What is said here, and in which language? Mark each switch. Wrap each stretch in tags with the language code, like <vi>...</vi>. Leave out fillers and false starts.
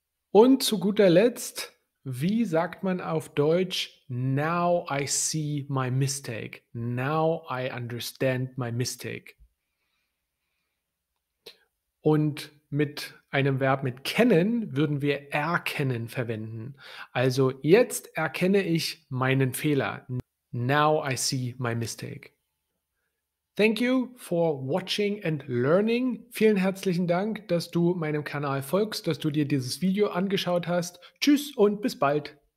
<de>Und zu guter Letzt, wie sagt man auf Deutsch,</de> <en>now I see my mistake, now I understand my mistake.</en> <de>Und mit einem Verb mit kennen würden wir erkennen verwenden. Also jetzt erkenne ich meinen Fehler,</de> <en>now I see my mistake. Thank you for watching and learning.</en> <de>Vielen herzlichen Dank, dass du meinem Kanal folgst, dass du dir dieses Video angeschaut hast. Tschüss und bis bald.</de>